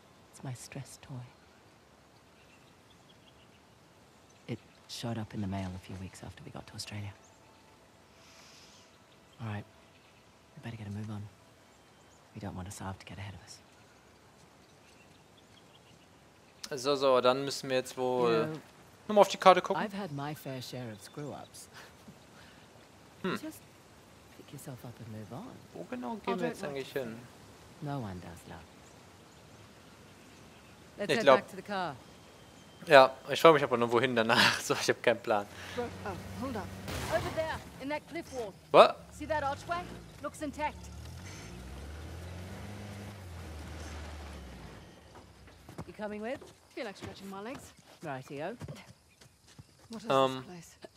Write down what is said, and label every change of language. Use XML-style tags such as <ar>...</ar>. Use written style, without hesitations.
<en>It's my stress toy. It showed up in the mail a few weeks after we got to Australia. All right, we better get a move on. We don't want to starve to get ahead of us.</en> <de>So, so, dann müssen wir jetzt wohl nochmal auf die Karte gucken.</de> <en>I've had my fair share of screw-ups. Just pick yourself up and move on.</en> <de>Wo genau gehen wir jetzt eigentlich hin?</de> <en>No one does love. Let's head back to the car.</en> <de>Ja, ich frage mich aber nur, wohin danach. So, ich habe keinen Plan.</de> <en>Oh, hold on. Over there, in that cliff wall. What? See that archway? Looks intact. Coming with? Feel like stretching my legs. Rightio. What is this place?</en>